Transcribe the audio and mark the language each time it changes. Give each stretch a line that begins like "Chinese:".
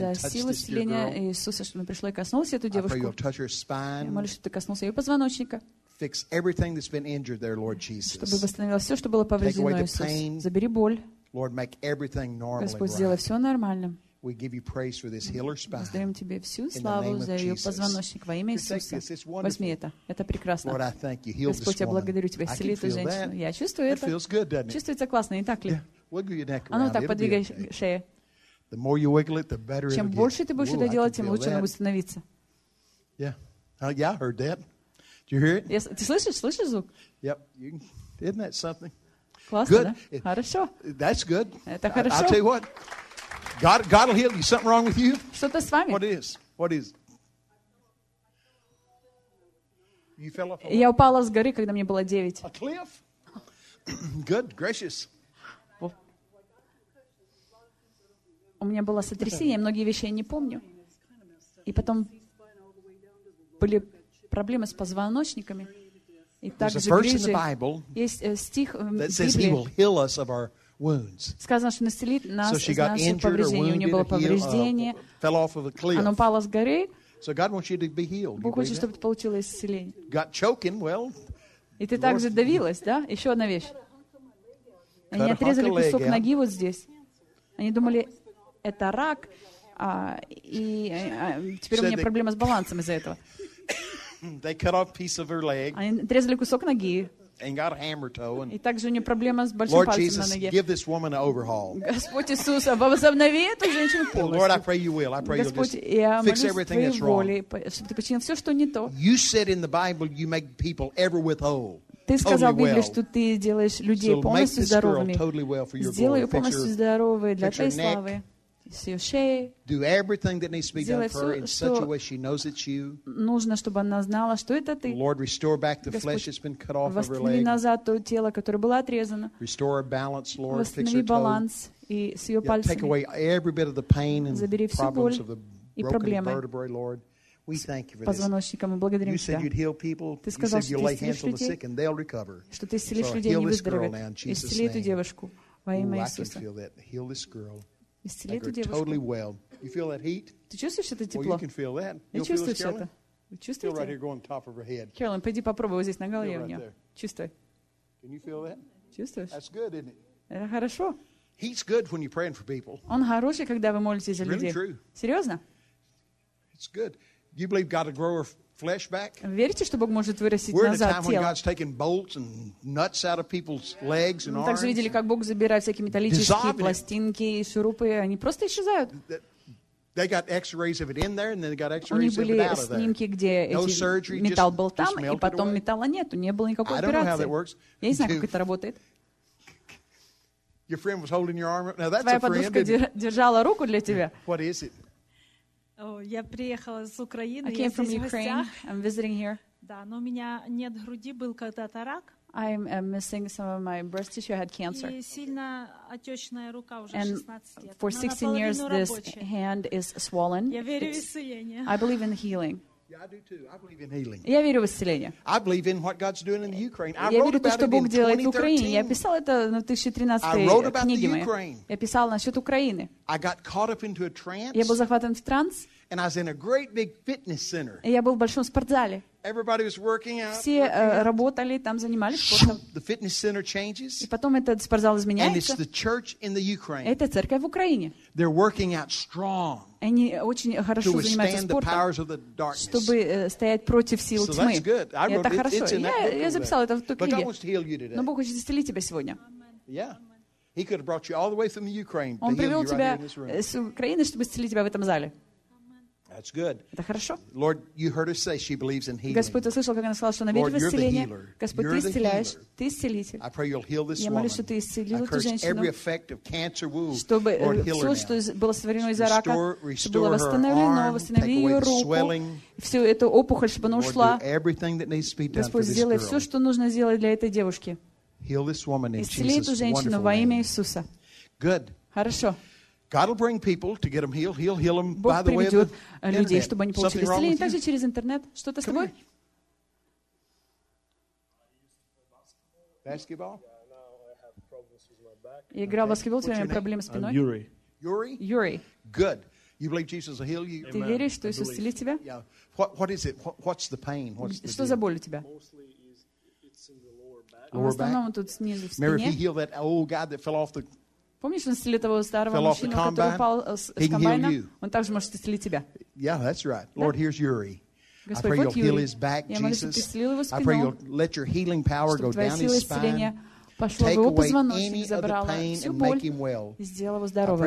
Russian: Я молюсь за силу исцеления Иисуса, чтобы пришло и коснулось эту девушку.
English: I pray you'll touch her spine.
Russian: Я молюсь, чтобы ты коснулся ее позвоночника.
English: Fix everything that's been injured there, Lord Jesus.
Russian: Чтобы восстановил все, что было повреждено, Иисус. Забери боль.
English: Lord, make everything normal.
Russian: Господь, сделай все нормальным.
English: We give you praise for this healer spine.
Russian: Воздаем тебе всю славу за ее позвоночник во имя Иисуса. Возьми это прекрасно.
English: Lord, I thank you. Heal
Russian: Господь, я благодарю тебя, исцели эту женщину.
English: That.
Russian: Я чувствую
English: it
Russian: это.
English: Feels good, doesn't it?
Russian: Чувствуется классно, не так ли? Оно так подвигает шею.
English: The more you wiggle it, the better
Russian: Чем
English: it'll
Russian: больше
English: get.
Russian: Ты будешь это делать, тем лучше оно будет становиться.
English: Yeah. Yeah, I heard that. Did you hear it? Yes.
Russian: Ты слышишь звук?
English: Yep. You can... Isn't that something?
Russian: Классно,
English: good.
Russian: Да? It... Хорошо.
English: That's good.
Russian: Это хорошо.
English: I'll tell you what. God will heal you. Something wrong with you?
Russian: Что-то с вами?
English: What is? You fell off a cliff?
Russian: Я упала с горы, когда мне было 9.
English: A cliff? Good, gracious.
Russian: У меня было сотрясение, многие вещи я не помню. И потом были проблемы с позвоночниками. И также грыжи. Есть стих в Библии.
English: That says he will heal us of our wounds.
Russian: Сказано, что исцелит нас из наших повреждений. У нее было повреждение.
English: Fell off of a cliff.
Russian: Она упала с горы.
English: So God wants you to be healed.
Russian: Бог хочет, чтобы ты получила исцеление.
English: Got choking, well.
Russian: И ты также давилась, да? Еще одна вещь. Они отрезали кусок ноги вот здесь. Они думали, это рак, и теперь у меня проблема с балансом из-за этого.
English: They cut off piece of her leg.
Russian: Они отрезали кусок ноги.
English: And got a hammer toe. And
Russian: и также у нее проблема с большим пальцем
English: Lord Jesus,
Russian: на ноге.
English: Give this woman an overhaul.
Russian: Господь Иисус, возобнови эту женщину полностью.
English: Lord, I pray you will. I pray
Russian: Господь,
English: you'll just fix everything that's wrong.
Russian: Господь, я молюсь твоей воле, чтобы ты починил все, что не то.
English: You said in the Bible you make people ever with whole.
Russian: Ты сказал в Библии, что ты делаешь людей полностью здоровыми.
English: Totally well for your glory.
Russian: Сделай ее полностью здоровой для твоей славы. С ее шеей.
English: Do everything that needs to be done for her in such a way she knows it's you.
Russian: Нужно, чтобы она знала, что это ты.
English: Lord, restore back the flesh that's been cut off of her leg.
Russian: Восстанови назад то тело, которое было отрезано.
English: Restore her balance, Lord.
Russian: Восстанови баланс и с ее пальцами.
English: Take away every bit of the pain and problems of the broken vertebrae, Lord. We thank you for this.
Russian: Мы благодарим тебя.
English: You said you'd heal people.
Russian: Ты сказал, что ты исцелишь людей.
English: You said you lay hands on the sick and they'll recover.
Russian: Что ты исцелишь людей, они выздоровеют. Исцели эту девушку во имя Иисуса.
English: I can feel that. Heal this girl.
Russian: Исцели эту девушку.
English: Totally well. You feel that heat?
Russian: Ты чувствуешь это тепло?
English: Well, you can feel that. You
Russian: чувствуешь
English: feel this, Carolyn?
Russian: Это? Чувствуете?
English: Feel right here, go on top of her head.
Russian: Carolyn, пойди попробуй вот здесь на голове
English: right
Russian: у нее. Чувствуй.
English: Can you feel that?
Russian: Чувствуешь?
English: That's good, isn't it?
Russian: Это хорошо.
English: Heat's good when you're praying for people.
Russian: Он хороший, когда вы молитесь за людей.
English: Really true.
Russian: Серьезно?
English: It's good. You believe God will grow her flesh back?
Russian: Верите, что Бог может вырастить назад тело?
English: We're in a time when God's taking bolts and nuts out of people's legs and arms.
Russian: Мы также видели, как Бог забирает всякие металлические пластинки и шурупы, они просто исчезают.
English: They got X-rays of it in there, and then they got X-rays of it out of there.
Russian: У них были снимки, где металл был там, и потом металла нету, не было никакой операции.
English: I don't know how that works.
Russian: Я не знаю, как это работает.
English: Your friend was holding your arm. Now that's a friend.
Russian: Твоя подружка держала руку для тебя.
English: What is it?
Russian: Я приехала с Украины.
English: I came from Ukraine. I'm visiting here.
Russian: Да, но у меня нет груди, был когда-то рак.
English: I'm missing some of my breast tissue. I had cancer.
Russian: И сильно отечная рука уже 16 лет.
English: And for 16 years, this hand is swollen.
Russian: Я верю в исцеление.
English: I believe in healing. Yeah, I do too. I believe in healing.
Russian: Я верю в исцеление.
English: I believe in what God's doing in the Ukraine.
Russian: Я верю в то, что Бог делает в Украине. Я писал это на 2013 книге моей. Я писал насчет Украины.
English: I got caught up into a trance.
Russian: Я был захвачен в транс.
English: And I was in a great big fitness center.
Russian: Я был в большом спортзале.
English: Everybody was working out.
Russian: Все работали там, занимались спортом.
English: The fitness center changes.
Russian: И потом этот спортзал изменяется.
English: And it's the church in the Ukraine.
Russian: Это церковь в Украине.
English: They're working out strong.
Russian: Они очень хорошо занимаются спортом, чтобы стоять против сил тьмы. Это хорошо. Я записал это в ту книгу. Но Бог хочет исцелить тебя сегодня.
English: He could have brought you all the way from the Ukraine to heal you right here in this room.
Russian: Он привел тебя с Украины, чтобы исцелить тебя в этом зале.
English: That's good.
Russian: Это хорошо.
English: Lord, you heard her say she believes in healing.
Russian: Господь, ты слышал, как она сказала, что она верит в исцеление. Господь, ты исцеляешь, ты исцелитель.
English: I pray you'll heal this woman.
Russian: Я молюсь, что ты исцелил эту женщину.
English: Every effect of cancer wound.
Russian: Чтобы все, что было сотворено из-за рака, было восстановлено, восстанови ее руку. Всю эту опухоль, чтобы она ушла. Господь, сделай все, что нужно сделать для этой девушки.
English: Heal this woman in Jesus' wonderful name.
Russian: Исцели эту женщину во имя Иисуса.
English: Good.
Russian: Хорошо.
English: God will bring people to get them healed. He'll heal them by the way of the internet. Something wrong with you?
Russian: Также через интернет. Что-то с тобой?
English: Basketball?
Russian: Я играл в баскетбол, у меня проблемы с спиной.
English: Yuri. Yuri? Yuri. Good. You believe Jesus will heal you?
Russian: Ты веришь, что Иисус исцелит тебя?
English: Yeah. What is it? What's the pain?
Russian: Что за боль у тебя? В основном тут снизу, в спине.
English: Mary, heal that old guy that fell off the...
Russian: Помнишь, он исцелил того старого мужчину, который упал с комбайна? Он также может исцелить тебя.
English: Yeah, that's right.
Russian: Да?
English: Lord, here's Yuri.
Russian: Господь,
English: I pray
Russian: вот
English: you'll
Russian: Юрий.
English: Heal his back,
Russian: я
English: Jesus.
Russian: Молюсь, что ты исцелил его спину.
English: I pray you'll let your healing power go down his spine.
Russian: Пошла в его позвоночник, забрала всю боль и сделала его здоровым.